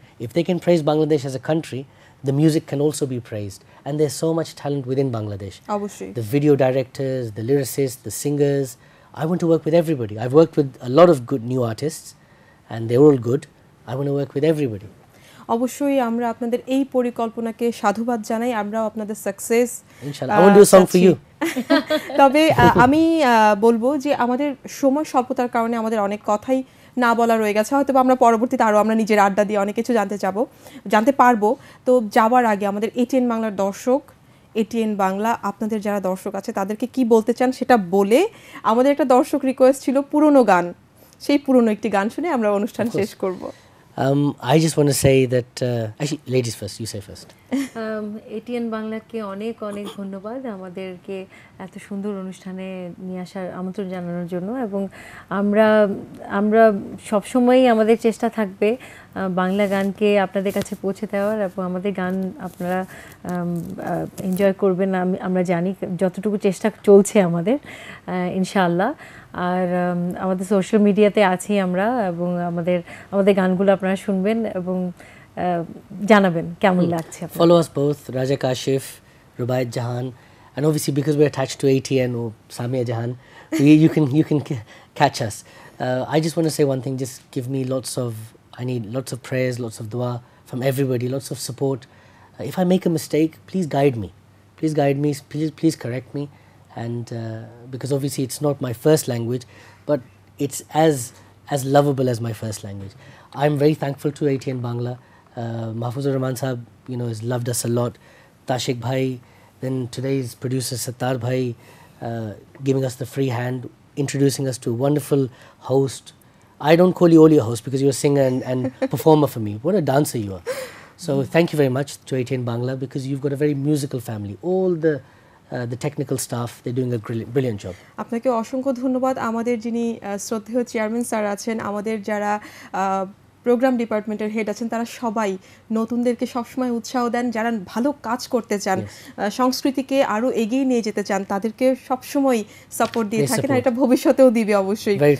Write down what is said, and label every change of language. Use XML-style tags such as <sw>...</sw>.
<en>If they can praise Bangladesh as a country, the music can also be praised. And there's so much talent within Bangladesh. Obviously. The video directors, the lyricists, the singers. I want to work with everybody. I've worked with a lot of good new artists. And they're all good. I want to work with everybody.</en> <bn>অবশ্যই আমরা আপনাদের এই পরিকল্পনাকে সাধুবাদ জানাই, আমরাও আপনাদের success.</bn> <en>ইনশাআল্লাহ, I want to do a song for you.</en> <bn>তবে আমি বলবো যে আমাদের সময় স্বল্পতার কারণে আমাদের অনেক কথাই না বলা রয়ে গেছে, হয়তো আমরা পরবর্তীতে আরও আমরা নিজের আড্ডা দিয়ে অনেক কিছু জানতে পারবো। তো যাওয়ার আগে আমাদের এটিএন বাংলার দর্শক, এটিএন বাংলা আপনাদের যারা দর্শক আছে তাদেরকে কি বলতে চান সেটা বলে, আমাদের একটা দর্শক রিকোয়েস্ট ছিল পুরনো গান, সেই পুরনো একটি গান শুনে আমরা অনুষ্ঠান শেষ করব।</bn> <en>I just want to say that actually ladies first, you say first.</en> <bn>ATN বাংলাকে অনেক অনেক ধন্যবাদ আমাদেরকে এত সুন্দর অনুষ্ঠানে নিয়ে আসার আমন্ত্রণ জানানোর জন্য, এবং আমরা আমরা সবসময়ই আমাদের চেষ্টা থাকবে বাংলা গানকে আপনাদের কাছে পৌঁছে দেওয়ার, এবং আমাদের গান আপনারা এনজয় করবেন আমরা জানি, যতটুকু চেষ্টা চলছে আমাদের ইনশাআল্লাহ। আর আমাদের সোশ্যাল মিডিয়াতে আছি আমরা, এবং আমাদের আমাদের গানগুলো আপনারা শুনবেন এবং জানাবেন কেমন লাগছে।</bn> <en>Follow us both, Raja Kashif, Rubait Jahan, and obviously because we are attached to ATN ও Samia Jahan, you can catch us. I just want to say one thing, just give me lots of, I need lots of prayers, lots of দোয়া from everybody, lots of support. If I make a mistake, please guide me, please correct me, and because obviously it's not my first language, but it's as lovable as my first language. I'm very thankful to ATN Bangla. Mahfuzur Rahman sahab, you know, has loved us a lot. Tashik bhai, then today's producer Sattar bhai, giving us the free hand, introducing us to a wonderful host. I don't call you only a host because you're a singer and performer for me. What a dancer you are. So thank you very much to ATN Bangla, because you've got a very musical family. All the technical staff, they're doing a brilliant job.</en> <bn>আপনাকে অসংখ্য ধন্যবাদ। আমাদের যিনি শ্রদ্ধেয় chairman sir আছেন, আমাদের যারা programme ডিপার্টমেন্টের হেড আছেন, তারা সবাই নতুনদেরকে সবসময় উৎসাহ দেন, যারা ভালো কাজ করতে চান, সংস্কৃতিকে আরও এগিয়ে নিয়ে যেতে চান, তাদেরকে সবসময় সাপোর্ট দিয়ে থাকেন, আর এটা ভবিষ্যতেও দিবে অবশ্যই।</bn>